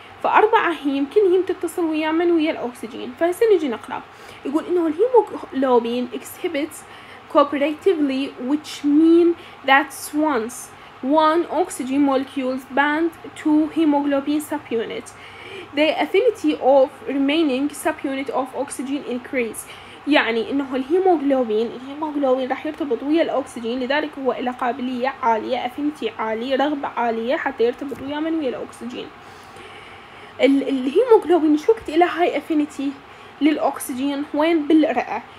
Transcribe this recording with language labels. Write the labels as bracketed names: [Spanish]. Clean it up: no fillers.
[Arabic] فأربعة هيم، كل هيم تتصل ويا من؟ ويا الأكسجين. فهسه نجي نقرأ. يقول إنه الهيموغلوبين [English] exhibits cooperatively which mean that once one oxygen molecules bind to hemoglobin subunit the affinity of remaining subunit of oxygen increase. [Arabic] يعني انه الهيموغلوبين راح يرتبط ويا الاكسجين، لذلك هو له قابليه عاليه، افينيتي عاليه، رغبه عاليه حتى يرتبط ويا من؟ ويا الاكسجين. الهيموغلوبين شكت الى هاي افينيتي للاكسجين وين؟ بالرئه.